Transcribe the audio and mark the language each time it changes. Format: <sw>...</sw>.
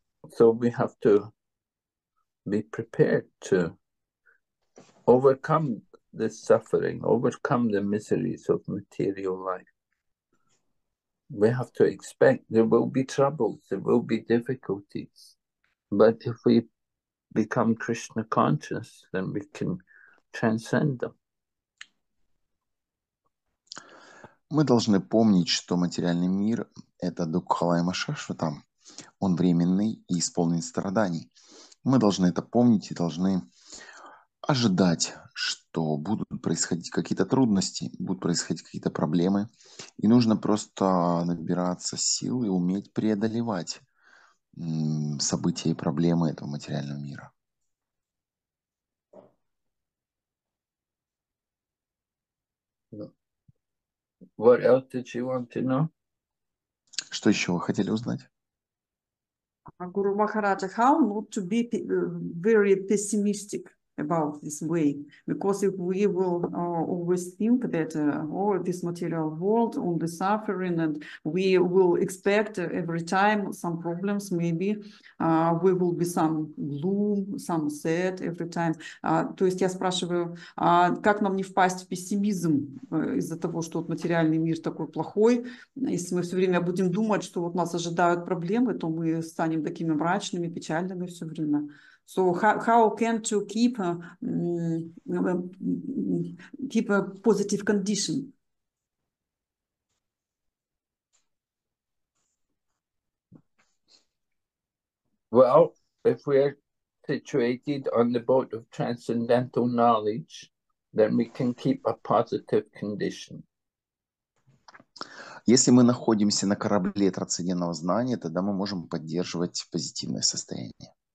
<en>So we have to be prepared to overcome this suffering, overcome the miseries of material life. We have to expect there will be troubles, there will be difficulties. But if we become Krishna conscious, then we can transcend them.</en> <ru>Мы должны помнить, что материальный мир – это Дукхалайма Шашватам. Он временный и исполнен страданий. Мы должны это помнить и должны ожидать, что будут происходить какие-то трудности, будут происходить какие-то проблемы. И нужно просто набираться сил и уметь преодолевать события и проблемы этого материального мира.</ru> <en>What else did you want to know?</en> <ru>Что еще вы хотели узнать?</ru> <en>Guru Maharaj, how not to be very pessimistic about this way? Because if we will always think that all this material world on the suffering and we will expect every time some problems, maybe we will be some gloom, some sad every time.</en> <ru>То есть я спрашиваю, как нам не впасть в пессимизм из-за того, что вот материальный мир такой плохой? Если мы все время будем думать, что вот нас ожидают проблемы, то мы станем такими мрачными, печальными все время.</ru> <en>So how can to keep keep a positive condition? Well, if we are situated on the boat of transcendental knowledge, then we can keep a positive condition.</en> <ru>Если мы находимся на корабле трансцендентного знания, тогда мы можем поддерживать позитивное состояние.</ru>